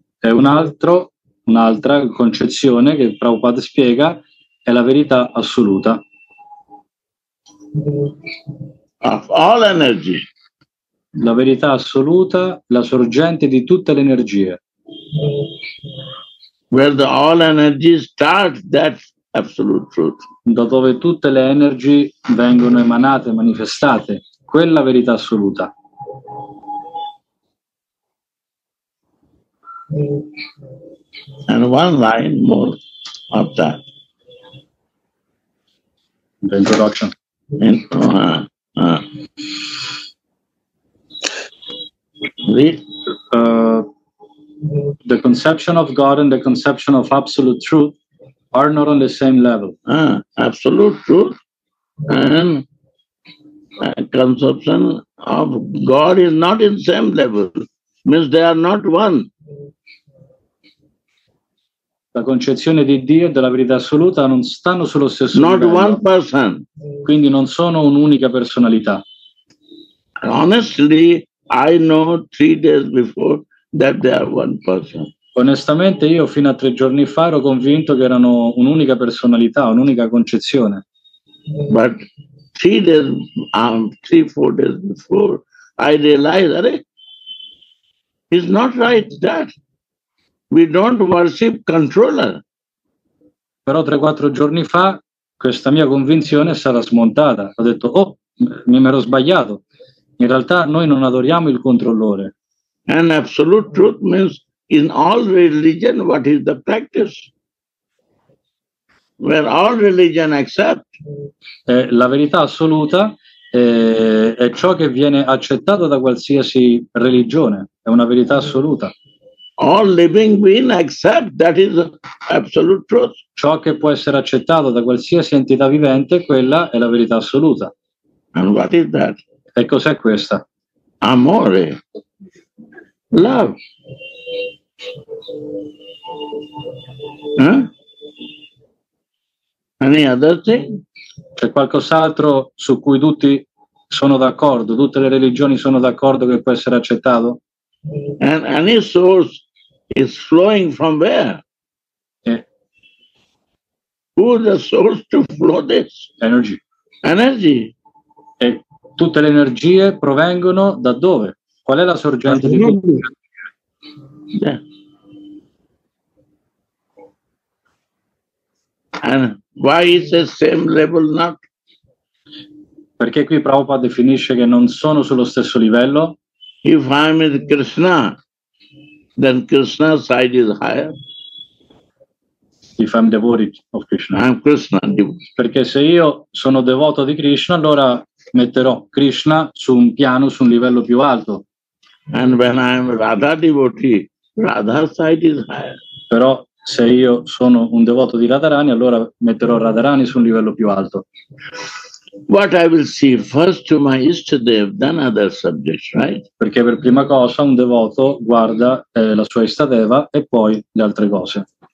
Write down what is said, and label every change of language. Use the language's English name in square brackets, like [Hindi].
[Italian] È un'altra concezione che Prabhupada spiega, è la verità assoluta. [English] Of all energy. [Italian] La verità assoluta, la sorgente di tutte le energie. [English] Where the all energy starts, that's absolute truth. [Italian] Da dove tutte le energie vengono emanate, manifestate, quella verità assoluta. [English] And one line more of that. The introduction. And, The conception of God and the conception of absolute truth are not on the same level. Absolute truth and conception of God is not in same level. Means they are not one. [Italian] La concezione di Dio e della verità assoluta non stanno sullo stesso [English] not [Italian] livello. [English] One person. [Italian] Quindi non sono un'unica personalità. [English] Honestly, I know 3 days before that they are one person. [Italian] Onestamente, io fino a 3 giorni fa ero convinto che erano un'unica personalità, un'unica concezione. [English] But 3 days, 3-4 days before, I realized that it's not right that we don't worship controller. [Italian] Però 3-4 giorni fa questa mia convinzione è stata smontata. Ho detto, oh, mi ero sbagliato. In realtà noi non adoriamo il controllore. [English] And absolute truth means in all religion what is the practice? Where all religion accept. [Italian] La verità assoluta è ciò che viene accettato da qualsiasi religione. È una verità assoluta. [English] All living being accept that is absolute truth. [Italian] Ciò che può essere accettato da qualsiasi entità vivente, quella è la verità assoluta. [English] And what is that? [Italian] E cos'è questa? Amore. [English] Love. Any other thing? [Italian] C'è qualcos'altro su cui tutti sono d'accordo? Tutte le religioni sono d'accordo che può essere accettato? [English] And any source is flowing from where? Yeah. Who is the source to flow this? Energy. Energy. [Italian] E tutte le energie provengono da dove? Qual è la sorgente di questo? Yeah. [English] And why is the same level not? [Italian] Perché qui Prabhupada definisce che non sono sullo stesso livello. [English] If I am with Krishna, then Krishna's side is higher. If I'm devotee of Krishna. I'm Krishna. [Italian] Perché se io sono devoto di Krishna, allora metterò Krishna su un piano, su un livello più alto. [English] And when I'm Radha devotee, Radha's side is higher. [Italian] Però se io sono un devoto di Radharani, allora metterò Radharani su un livello più alto. [English] What I will see first to my Ishtadev, then other subjects, right? [Italian] Perché per prima cosa un devoto guarda la sua Ishtadeva e poi le altre cose.